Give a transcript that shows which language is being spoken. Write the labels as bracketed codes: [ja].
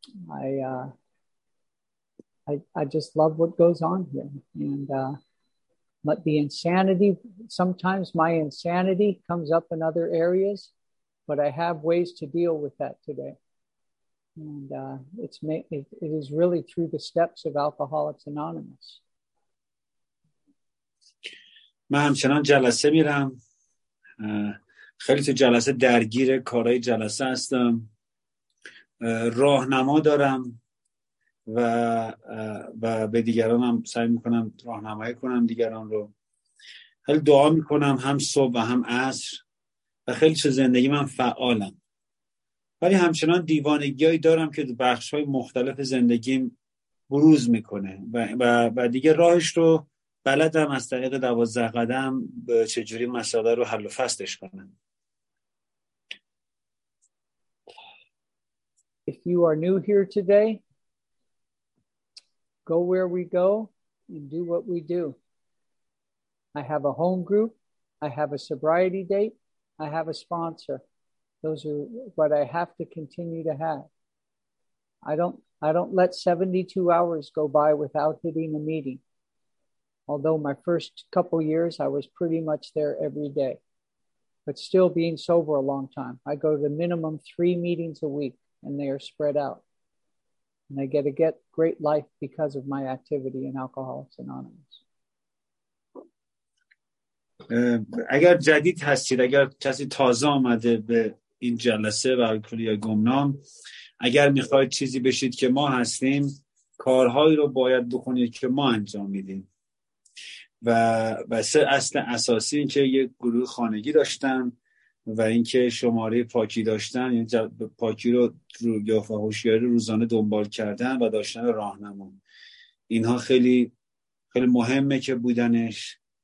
[en] I just love what goes on here, and but the insanity, sometimes my insanity comes up in other areas, but I have ways to deal with that today, and it is really through the steps of Alcoholics Anonymous. [fa] من همچنان جلسه میرم، خیلی تو جلسه درگیر کارهای جلسه هستم، راهنما دارم و به دیگران هم سعی میکنم راهنمایی کنم دیگران رو. خیلی دعا میکنم هم صبح و هم عصر، و خیلی چه زندگی من فعالم، ولی همچنان دیوانگیایی دارم که بخش های مختلف زندگیم بروز میکنه، و دیگه راهش رو بلدم از طریق 12 قدم چجوری مساله رو حل و فصلش کنم. [en] If you are new here today, go where we go and do what we do. I have a home group. I have a sobriety date. I have a sponsor. Those are what I have to continue to have. I don't let 72 hours go by without hitting a meeting. Although my first couple years, I was pretty much there every day. But still being sober a long time, I go to the minimum 3 meetings a week. And they are spread out. And I get a great life because of my activity in Alcoholics Anonymous. [fa] اگر جدید هستید، اگر کسی تازه آمده به این جلسه و الکلی گمنام، اگر میخواید چیزی بشید که ما هستیم، کارهایی رو باید بکنید که ما انجام میدیم. و سه اصل اساسی این که یک گروه خانگی داشتن، و اینکه شماره پاکی داشتن، یعنی پاکی رو روی و هوشیاری روزانه دنبال کردن و داشتن راهنمون، اینها خیلی خیلی مهمه که بودنش.